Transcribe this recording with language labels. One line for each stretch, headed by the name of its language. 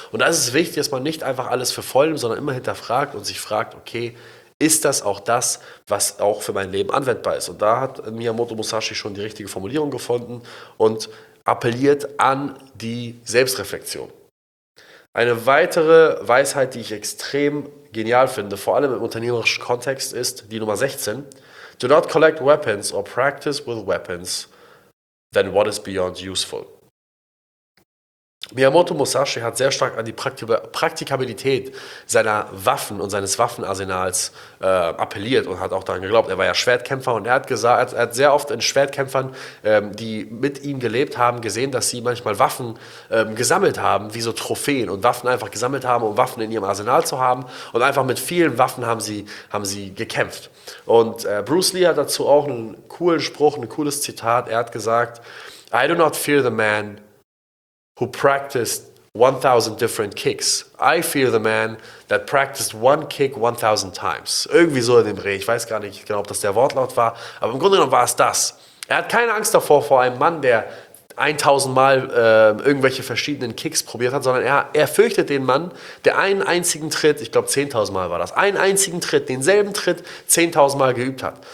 German: Und da ist es wichtig, dass man nicht einfach alles für voll nimmt, sondern immer hinterfragt und sich fragt, okay, ist das auch das, was auch für mein Leben anwendbar ist? Und da hat Miyamoto Musashi schon die richtige Formulierung gefunden und appelliert an die Selbstreflexion. Eine weitere Weisheit, die ich extrem genial finde, vor allem im unternehmerischen Kontext, ist die Nummer 16.
English: Do not collect weapons or practice with weapons, then what is beyond useful?
German: Miyamoto Musashi hat sehr stark an die Praktikabilität seiner Waffen und seines Waffenarsenals appelliert und hat auch daran geglaubt. Er war ja Schwertkämpfer und er hat sehr oft in Schwertkämpfern, die mit ihm gelebt haben, gesehen, dass sie manchmal Waffen gesammelt haben, wie so Trophäen, und Waffen einfach gesammelt haben, um Waffen in ihrem Arsenal zu haben, und einfach mit vielen Waffen haben sie gekämpft. Und Bruce Lee hat dazu auch einen coolen Spruch, ein cooles Zitat. Er hat gesagt,
English: I do not fear the man who practiced 1,000 different kicks. I fear the man that practiced one kick 1,000 times.
German: Irgendwie so in dem Dreh. Ich weiß gar nicht genau, ob das der Wortlaut war. Aber im Grunde genommen war es das. Er hat keine Angst davor, vor einem Mann, der 1,000 Mal irgendwelche verschiedenen Kicks probiert hat, sondern er fürchtet den Mann, der einen einzigen Tritt, ich glaube 10.000 Mal war das, einen einzigen Tritt, denselben Tritt 10.000 Mal geübt hat.